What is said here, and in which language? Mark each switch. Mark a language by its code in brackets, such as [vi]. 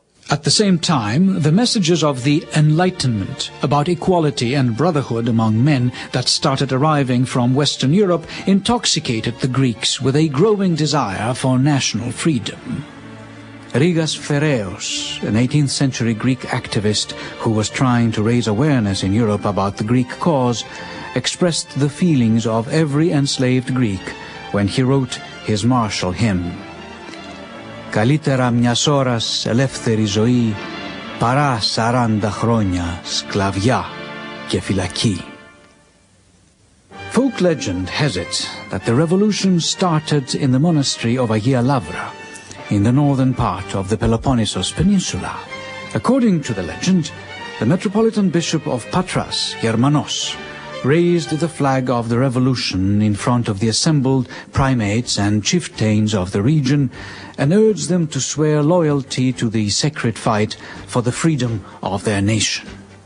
[en] At the same time, the messages of the Enlightenment about equality and brotherhood among men that started arriving from Western Europe intoxicated the Greeks with a growing desire for national freedom. Rigas Phereos, an 18th century Greek activist who was trying to raise awareness in Europe about the Greek cause, expressed the feelings of every enslaved Greek when he wrote his martial hymn. [el] Καλύτερα μιας ώρας ελεύθερη ζωή παρά 40 χρόνια σκλαβιά και φυλακή. [en] Folk legend has it that the revolution started in the monastery of Agia Lavra, in the northern part of the Peloponnesus Peninsula. According to the legend, the Metropolitan Bishop of Patras, Germanos, raised the flag of the revolution in front of the assembled primates and chieftains of the region and urged them to swear loyalty to the sacred fight for the freedom of their nation.